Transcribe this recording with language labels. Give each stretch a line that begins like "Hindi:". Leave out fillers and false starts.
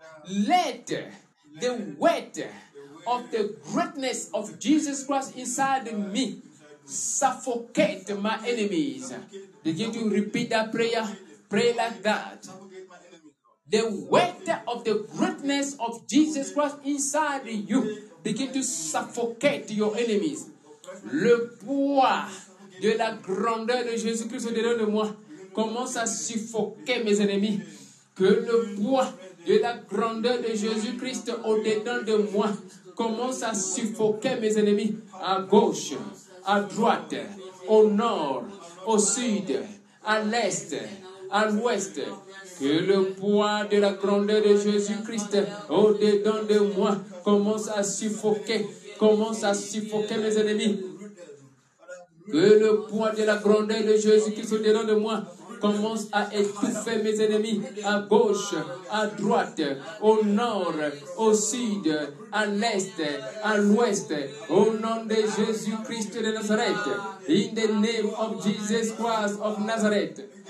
English: Let the weight of the greatness of Jesus Christ inside me suffocate my enemies. Begin to repeat that prayer. Pray like that. The weight of the greatness of Jesus Christ inside you begin to suffocate your enemies.
French: Le poids de la grandeur de Jésus-Christ au-dedans de moi commence à suffoquer mes ennemis. Que le poids de la grandeur de Jésus-Christ au-dedans de moi commence à suffoquer mes ennemis à gauche, à droite, au nord, au sud, à l'est, à l'ouest. Que le poids de la grandeur de Jésus-Christ au-dedans de moi commence à suffoquer mes ennemis. Que le poids de la grandeur de Jésus-Christ au-dedans de moi commence à étouffer mes ennemis à gauche, à droite, au nord, au sud, à l'est, à l'ouest, au nom de Jésus-Christ de Nazareth.
English: In the name of Jesus Christ of Nazareth.